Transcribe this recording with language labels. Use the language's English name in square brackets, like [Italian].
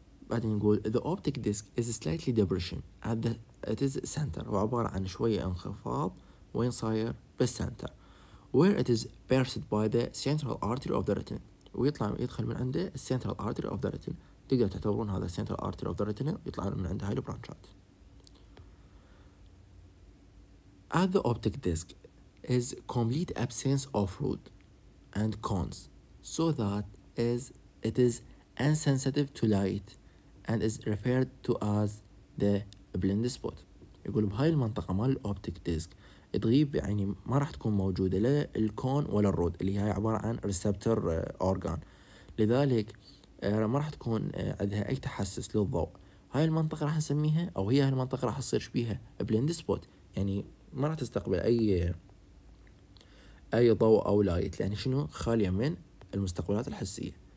[Arabic] بعدين نقول [English] The optic disc is slightly depression at the it is center [Arabic] وعبارة عن شوية انخفاض وين صاير بالسنتر [English] Where it is pierced by the central artery of the retina [Arabic] ويطلع يدخل من عنده السنترال ارتري اوف ذا ريتينا تقدر تعتبرون هذا السنترال ارتري اوف ذا ريتينا يطلع من عنده هاي البرانشات [English] at the optic disc is complete absence of root and cones, so that is, it is insensitive to light and is referred to as the blind spot. [Arabic] يقول بهاي المنطقة مال الأوبتيك ديسك تغيب، يعني ما راح تكون موجودة لا الكون ولا الرود اللي هي عبارة عن ريسبتر أورغان، لذلك ما راح تكون عندها أي تحسس للضوء. هاي المنطقة راح نسميها، أو هي هاي المنطقة راح تصير شبيها بلند سبوت، يعني ما راح تستقبل أي ضوء أو لايت، يعني شنو، خالية من المستقبلات الحسية.